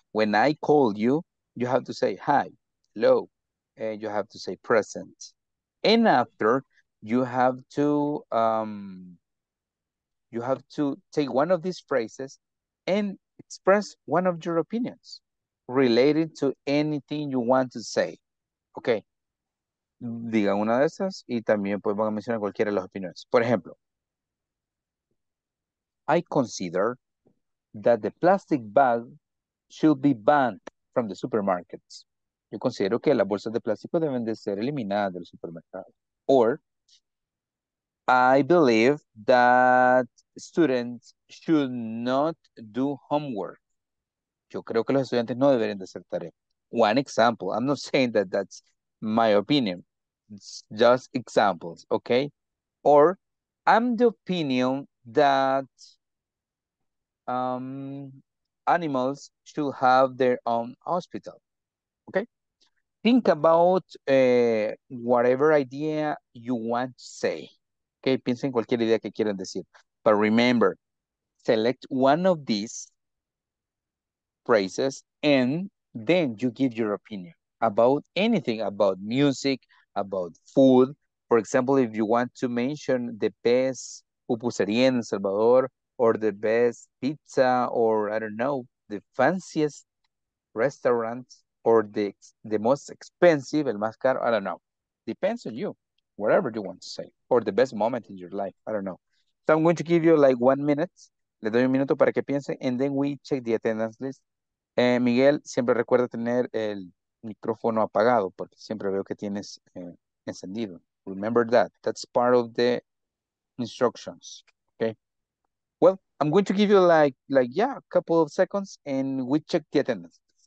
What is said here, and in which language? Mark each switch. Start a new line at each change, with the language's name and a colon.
English: When I call you, you have to say hi, hello, and you have to say present. And after, you have to take one of these phrases and express one of your opinions related to anything you want to say. Okay.
Spanish: Diga una de esas y también pues van a mencionar cualquiera de las opiniones.
English: Por ejemplo, I consider that the plastic bag should be banned from the supermarkets.
Spanish: Yo considero que las bolsas de plástico deben de ser eliminadas del supermercado.
English: Or, I believe that students should not do homework.
Spanish: Yo creo que los estudiantes no deberían de hacer tarea.
English: One example. I'm not saying that that's my opinion. It's just examples, okay? Or, I'm the opinion that animals should have their own hospital, okay? Think about whatever idea you want to say, okay? Piensa en cualquier idea que quieran decir. But remember, select one of these phrases and then you give your opinion about anything, about music, about food. For example, if you want to mention the best pupusería in El Salvador or the best pizza or, I don't know, the fanciest restaurant or the most expensive, el más caro, I don't know. Depends on you, whatever you want to say. Or the best moment in your life, I don't know. So I'm going to give you like 1 minute.
Spanish: Le doy un minuto para que piense and then we check the attendance list. Miguel, siempre recuerda tener el micrófono apagado porque siempre veo que tienes encendido.
English: Remember that. That's part of the instructions. Okay. Well, I'm going to give you a couple of seconds and we check the attendance.